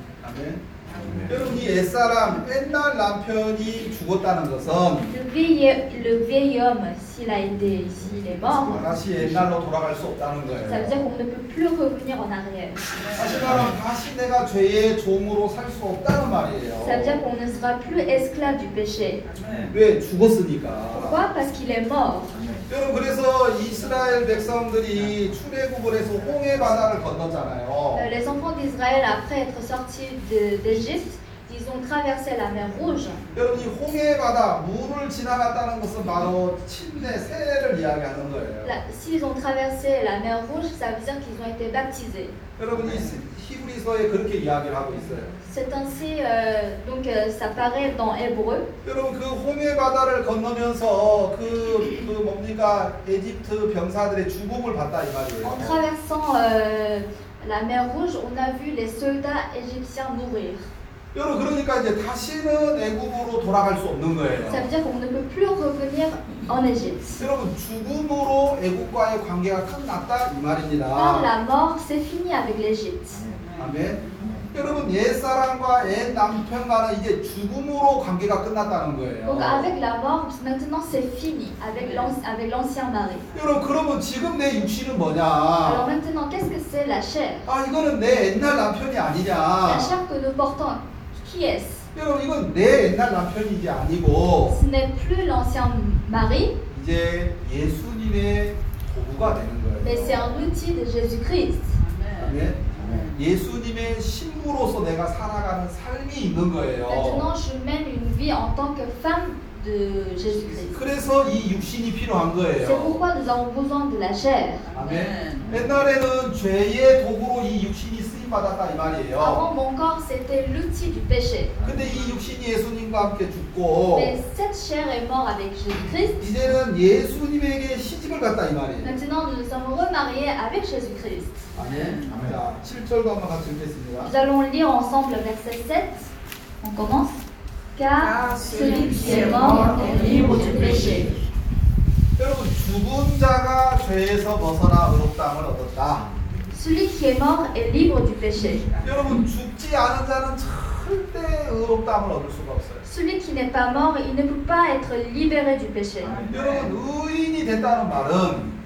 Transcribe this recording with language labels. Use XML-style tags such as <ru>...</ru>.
<fr>Le vieil homme, s'il a été ici, il est mort. Ça veut dire qu'on ne peut plus revenir en arrière. Ça veut dire qu'on ne sera plus esclave du péché.</fr> <ko>왜 죽었습니까?</ko> <fr>Pourquoi? Parce qu'il est mort.</fr> <ko>여러분, 그래서 이스라엘 백성들이 출애굽을 해서 홍해 바다를 건넜잖아요.</ko> <fr>Les enfants d'Israël, après être sortis d'Égypte, ils ont traversé la mer Rouge.</fr> <ko>여러분, 이 홍해 바다, 물을 지나갔다는 것은 바로 침례 세례를 이야기하는 거예요.</ko> <fr>S'ils ont traversé la mer Rouge, ça veut dire qu'ils ont été baptisés.</fr> <ko>여러분, 이 히브리서에 그렇게 이야기를 하고 있어요.</ko> <fr>C'est ainsi, donc ça paraît dans Hébreu.</fr> <ko>여러분, 그 홍해 바다를 건너면서 그 뭡니까 이집트 병사들의 죽음을 봤다 이 말이에요.</ko> <fr>En traversant la mer Rouge, on a vu les soldats égyptiens mourir.</fr> <ko>여러분, 그러니까 이제 다시는 애굽으로 돌아갈 수 없는 거예요.</ko> <fr>Ça veut dire qu'on ne peut plus revenir en Égypte.</fr> <ko>여러분, 죽음으로 애굽과의 관계가 끝났다 이 말입니다.</ko> <fr>Par la mort, c'est fini avec l'Égypte.</fr> <ko>아멘. 여러분, 옛사람과 옛남편과는 이제 죽음으로 관계가 끝났다는 거예요.</ko> <fr>Donc avec la mort, maintenant c'est fini avec l'ancien mari.</fr> <ko>여러분, 그러면 지금 내 육신은 뭐냐?</ko> <fr>Alors maintenant, qu'est-ce que c'est la chair?</fr> <ko>아, 이거는 내 옛날 남편이 아니냐?</ko> <fr>La chair que nous portons, qui est-ce?</fr> <ko>여러분, 이건 내 옛날 남편이 이제 아니고.</ko> <fr>Ce n'est plus l'ancien mari.</fr> <ko>이제 예수님의 도구가 되는 거예요.</ko> <fr>Mais c'est un outil de Jésus-Christ.</fr> <ko>아멘. 예수님의 신부로서 내가 살아가는 삶이 있는 거예요.</ko> <fr>Maintenant, je mène une vie en tant que femme de Jésus-Christ.</fr> <ko>그래서 이 육신이 필요한 거예요.</ko> <fr>C'est pourquoi nous avons besoin de la chair.</fr> <ko>아멘. 옛날에는 죄의 도구로 이 육신이 쓰임 받았다 이 말이에요.</ko> <fr>Avant, mon corps c'était l'outil du péché.</fr> <ko>근데 이 육신이 예수님과 함께 죽고.</ko> <fr>Mais cette chair est mort avec Jésus-Christ.</fr> <ko>이제는 예수님에게 시집을 갔다 이 말이에요.</ko> <fr>Maintenant, nous sommes remariés avec Jésus-Christ.</fr> <ko>7절도 한번 같이 읽겠습니다.</ko> <fr>Nous allons lire ensemble verset 7. On commence. Car celui qui est mort est libre du péché.</fr> <ko>여러분, 죽은 자가 죄에서 벗어나 의롭다함을 얻었다.</ko> <fr>Celui qui est mort est libre du péché.</fr> <ko>여러분, 죽지 않은 자는 절대 의롭다함을 얻을 수가 없어요.</ko> <fr>Celui qui n'est pas mort, il ne peut pas être libéré du péché.</fr> <ko>여러분, 의인이 된다는 말은</ko>